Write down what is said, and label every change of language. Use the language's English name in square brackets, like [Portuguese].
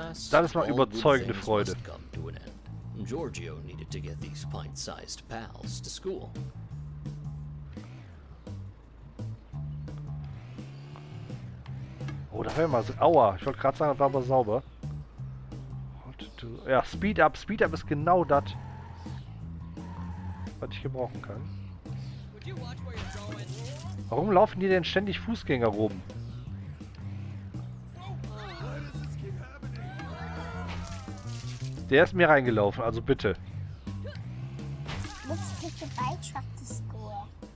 [German] Das ist mal überzeugende Freude. [English] Giorgio needed to get these pint-sized pals to school. [German] Oh, da wäre mal so. Aua, ich wollte gerade sagen, das war aber sauber. Ja, Speed Up. Speed Up ist genau das, was ich gebrauchen kann. Warum laufen die denn ständig Fußgänger rum? Der ist mir reingelaufen, also bitte. [English] Let's take the bike truck to school.